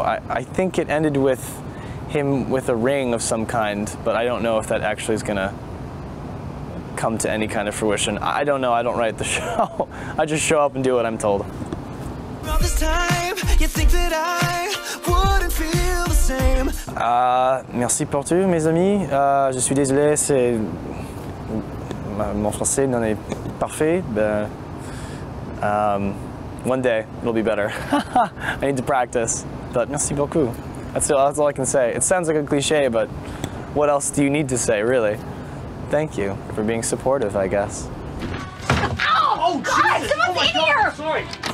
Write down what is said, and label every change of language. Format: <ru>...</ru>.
<en>I think it ended with him with a ring of some kind, but I don't know if that actually is gonna come to any kind of fruition. I don't know, I don't write the show. I just show up and do what I'm told. All this time, you think that I wouldn't feel the same.</en> <fr>Merci pour tout, mes amis. Je suis désolé, c'est... Mon français n'en est pas parfait, but...</fr> <en>one day, it'll be better. I need to practice, but</en> <fr>merci beaucoup.</fr> <en>That's all I can say. It sounds like a cliche, but what else do you need to say, really? Thank you for being supportive, I guess. Ow! Oh, God! Jesus. Someone's sorry.</en>